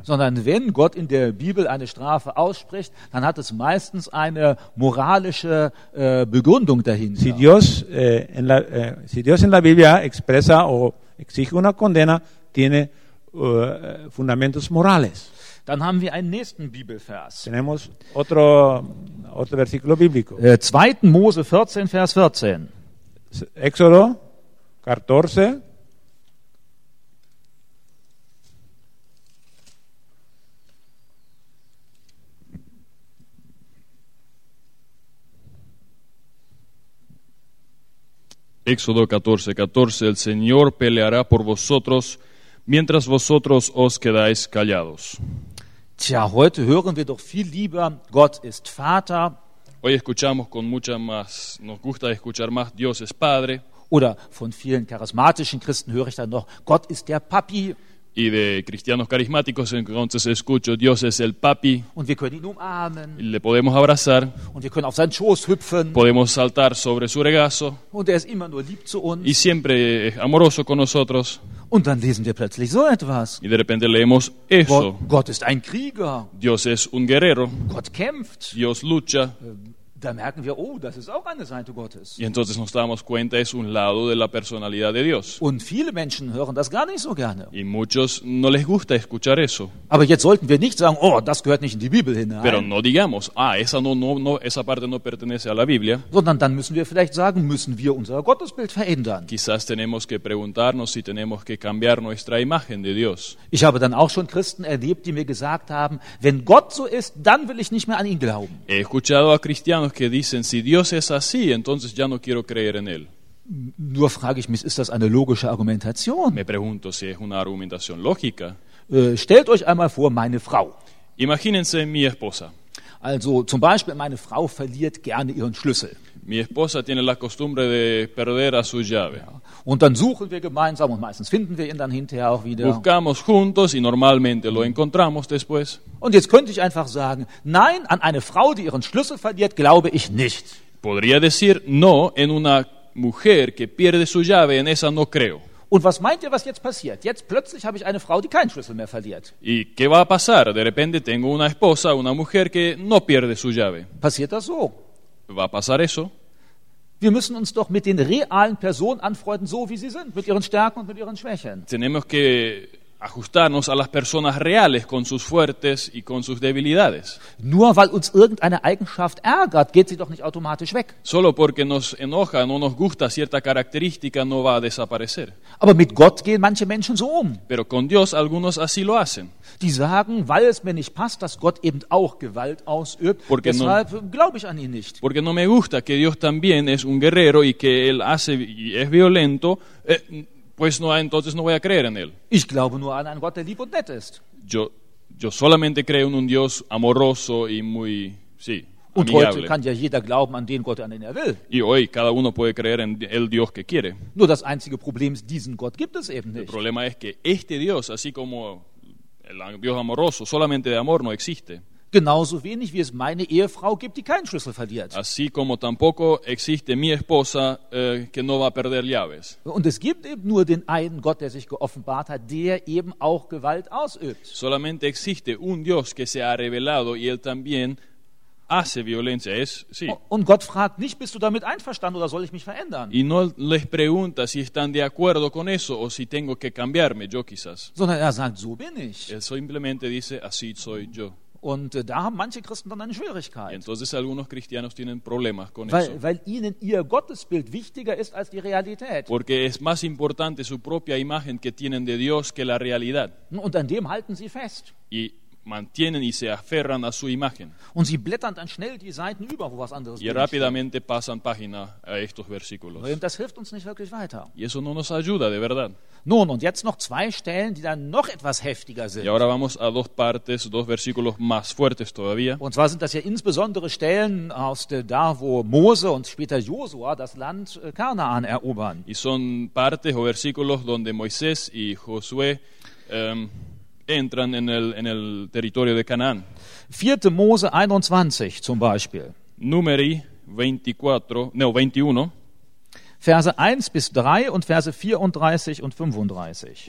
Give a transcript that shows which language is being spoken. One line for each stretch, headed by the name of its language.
German: Sondern wenn Gott in der Bibel eine Strafe ausspricht, dann hat es meistens eine moralische Begründung dahinter.
Spanish: Si Dios en la Biblia expresa o exige una condena, tiene fundamentos morales.
German: Dann haben wir einen nächsten Bibelvers.
Spanish: Tenemos otro versículo bíblico.
German: 2. Mose 14, Vers 14.
Spanish: Éxodo 14, Éxodo 14, 14, el Señor peleará por vosotros mientras vosotros os quedáis callados.
German: Tja, heute hören wir doch viel lieber, Gott ist Vater.
Spanish: Hoy escuchamos con mucha más, nos gusta escuchar más, Dios es Padre.
German: Oder von vielen charismatischen Christen höre ich dann noch, Gott ist der Papi.
Spanish: Y de cristianos carismáticos entonces escucho, Dios es el Papi.
German: Und wir können ihn umarmen.
Spanish: Y le podemos abrazar.
German: Und wir können auf seinen Schoß hüpfen.
Spanish: Podemos saltar sobre su regazo.
German: Und er ist immer nur lieb zu uns.
Spanish: Y siempre es amoroso con nosotros.
German: Und dann lesen wir plötzlich so etwas.
Spanish: Y de repente leemos eso.
German: Gott ist ein Krieger.
Spanish: Dios es un guerrero.
German: Gott kämpft.
Spanish: Dios lucha.
German: Da merken wir, das ist auch eine Seite Gottes.
Spanish: Y entonces nos damos cuenta, es un lado de la personalidad de Dios.
German: Und viele Menschen hören das gar nicht so gerne.
Spanish: Y muchos no les gusta escuchar eso.
German: Aber jetzt sollten wir nicht sagen, das gehört nicht in die Bibel hinein.
Spanish: Pero no digamos, esa parte no pertenece a la Biblia.
German: Sondern dann müssen wir vielleicht sagen, müssen wir unser Gottesbild verändern.
Spanish: Quizás tenemos que preguntarnos si tenemos que cambiar nuestra imagen de Dios.
German: Ich habe dann auch schon Christen erlebt, die mir gesagt haben, wenn Gott so ist, dann will ich nicht mehr an ihn glauben.
Spanish: He escuchado a cristianos que dicen, si Dios es así, entonces ya no quiero creer en él.
German: Nur frage ich mich, ist das eine logische Argumentation?
Spanish: Me pregunto si es una argumentación lógica.
German: Stellt euch einmal vor, meine Frau.
Spanish: Imagínense mi esposa.
German: Also zum Beispiel, meine Frau verliert gerne ihren Schlüssel.
Spanish: Mi esposa tiene la costumbre de perder a su llave.
German: Ja. Und dann suchen wir gemeinsam und meistens finden wir ihn dann hinterher auch wieder.
Spanish: Buscamos juntos y normalmente lo encontramos después.
German: Und jetzt könnte ich einfach sagen, nein, an eine Frau, die ihren Schlüssel verliert, glaube ich nicht.
Spanish: Podría decir no en una mujer que pierde su llave, en esa no creo.
German: Und was meint ihr, was jetzt passiert? Jetzt plötzlich habe ich eine Frau, die keinen Schlüssel mehr verliert.
Spanish: ¿Y qué va a pasar? De repente tengo una esposa, una mujer que no pierde su llave.
German: Passiert das so?
Spanish: Va a pasar eso?
German: Wir müssen uns doch mit den realen Personen anfreunden, so wie sie sind, mit ihren Stärken und mit ihren Schwächen.
Spanish: Tenemos que ajustarnos a las personas reales con sus fuertes y con sus debilidades.
German: Nur weil uns irgendeine Eigenschaft ärgert, geht sie doch nicht automatisch weg.
Spanish: Solo porque nos enoja, no nos gusta cierta característica, no va a desaparecer.
German: Aber mit Gott gehen manche Menschen so um.
Spanish: Pero con Dios algunos así lo hacen.
German: Die sagen, weil es mir nicht passt, dass Gott eben auch Gewalt ausübt,
Spanish: porque
German: deshalb no, glaube ich an ihn nicht.
Spanish: Porque no me gusta que Dios también es un guerrero y que él hace y es violento. Pues no, entonces no voy a creer en él.
German: Ich glaube nur an einen Gott, der lieb und nett ist.
Spanish: Yo solamente creo en un Dios amoroso y muy, sí,
German: und
Spanish: amigable.
German: Heute kann ja jeder glauben an den Gott, an den er will.
Spanish: Y hoy cada uno puede creer en el Dios que quiere.
German: Nur das einzige Problem ist, diesen Gott gibt es eben nicht.
Spanish: El problema es que este Dios, así como el Dios amoroso, solamente de amor, no existe.
German: Genauso wenig, wie es meine Ehefrau gibt, die keinen Schlüssel verliert.
Spanish: Así como tampoco existe mi esposa que no va a perder llaves.
German: Und es gibt eben nur den einen Gott, der sich geoffenbart hat, der eben auch Gewalt ausübt.
Spanish: Solamente existe un Dios que se ha revelado y él también hace violencia. Es, sí.
German: Und Gott fragt nicht, bist du damit einverstanden oder soll ich mich verändern?
Spanish: Y no les pregunta si están de acuerdo con eso o si tengo que cambiarme, yo quizás.
German: Sondern er sagt, so bin ich.
Spanish: Él simplemente dice, así soy yo.
German: Und da haben manche Christen dann eine Schwierigkeit.
Spanish: Entonces algunos cristianos tienen problemas con
German: weil,
Spanish: eso.
German: Weil ihnen ihr Gottesbild wichtiger ist als die Realität.
Spanish: Porque es más importante su propia imagen que tienen de Dios que la realidad.
German: Und an dem halten sie fest.
Spanish: Y mantienen y se aferran a su imagen.
German: Und sie blättern dann schnell die Seiten über, wo was anderes
Spanish: steht. Y rápidamente pasan página a estos versículos.
German: Und das hilft uns nicht wirklich weiter.
Spanish: Y eso no nos ayuda, de verdad.
German: Nun, und jetzt noch zwei Stellen, die dann noch etwas heftiger sind.
Spanish: Y ahora vamos a dos partes, dos versículos más fuertes todavía.
German: Und zwar sind das ja insbesondere Stellen aus der, da, wo Mose und später Josua das Land Kanaan erobern.
Spanish: Y son partes o versículos donde Moisés y Josué entran en el territorio de Canaán.
German: 4. Mose 21 zum Beispiel. Numeri 21. Verse 1 bis 3 und Verse 34 und 35.